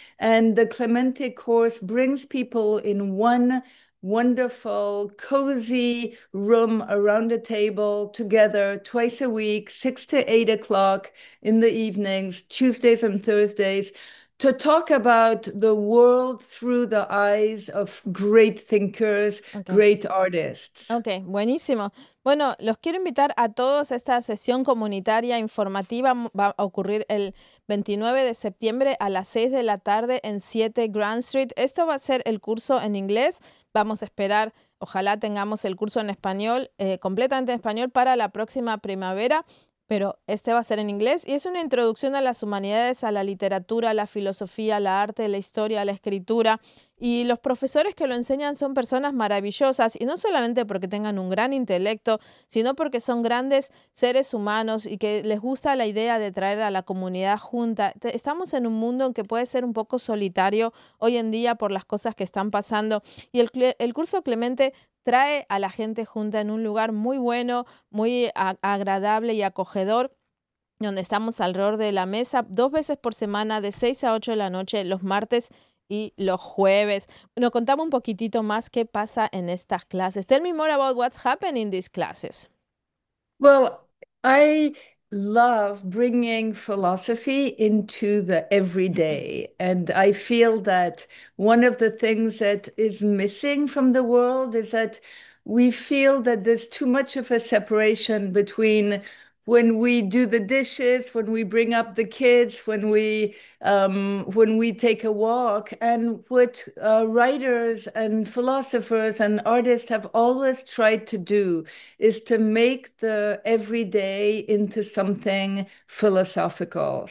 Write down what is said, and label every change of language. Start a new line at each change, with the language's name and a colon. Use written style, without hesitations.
English: And the Clemente course brings people in one wonderful, cozy room around a table together twice a week, 6 to 8 o'clock in the evenings, Tuesdays and Thursdays, to talk about the world through the eyes of great thinkers, okay. Great artists.
Spanish: Okay, buenísimo. Bueno, los quiero invitar a todos a esta sesión comunitaria informativa. Va a ocurrir el 29 de septiembre a las 6 de la tarde en 7 Grand Street. Esto va a ser el curso en inglés. Vamos a esperar, ojalá tengamos el curso en español, completamente en español para la próxima primavera, pero este va a ser en inglés y es una introducción a las humanidades, a la literatura, a la filosofía, a la arte, a la historia, a la escritura. Y los profesores que lo enseñan son personas maravillosas y no solamente porque tengan un gran intelecto, sino porque son grandes seres humanos y que les gusta la idea de traer a la comunidad junta. Estamos en un mundo en que puede ser un poco solitario hoy en día por las cosas que están pasando y el curso Clemente trae a la gente junta en un lugar muy bueno, muy agradable y acogedor, donde estamos alrededor de la mesa dos veces por semana de 6 a 8 de la noche los martes y los jueves. Bueno, contame un poquitito más qué pasa en estas clases.
English: Tell me more about what's happening in these classes. Well, I love bringing philosophy into the everyday. And I feel that one of the things that is missing from the world is that we feel that there's too much of a separation between when we do the dishes, when we bring up the kids, when we take a walk, and what writers and philosophers and artists have always tried to do is to make the everyday into something philosophical.